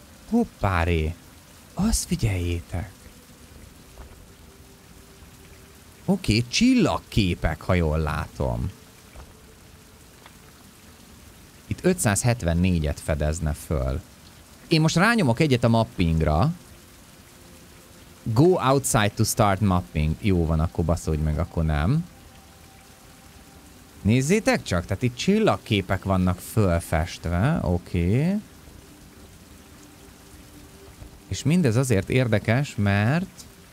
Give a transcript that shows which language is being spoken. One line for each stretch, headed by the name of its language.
Hungarian: Hoppáré! Azt figyeljétek! Oké, csillagképek, ha jól látom. Itt 574-et fedezne föl. Én most rányomok egyet a mappingra.
English: Go outside to start mapping.
Hungarian: Jó van, akkor baszódj meg, akkor nem. Nézzétek csak, tehát itt csillagképek vannak fölfestve. Oké. És mindez azért érdekes, mert...